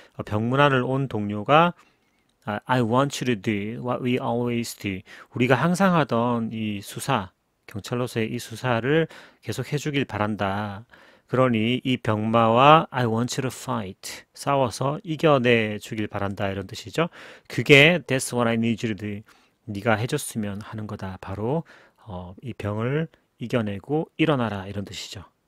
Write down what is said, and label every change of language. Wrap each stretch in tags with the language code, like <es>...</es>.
<ko>병문안을 온 동료가</ko> <en>I want you to do what we always do.</en> <ko>우리가 항상 하던 이 수사, 경찰로서의 이 수사를 계속 해주길 바란다. 그러니 이 병마와</ko> <en>I want you to fight.</en> <ko>싸워서 이겨내주길 바란다. 이런 뜻이죠. 그게</ko> <en>That's what I need you to do.</en> <ko>네가 해줬으면 하는 거다. 바로 이 병을 이겨내고 일어나라 이런 뜻이죠.</ko>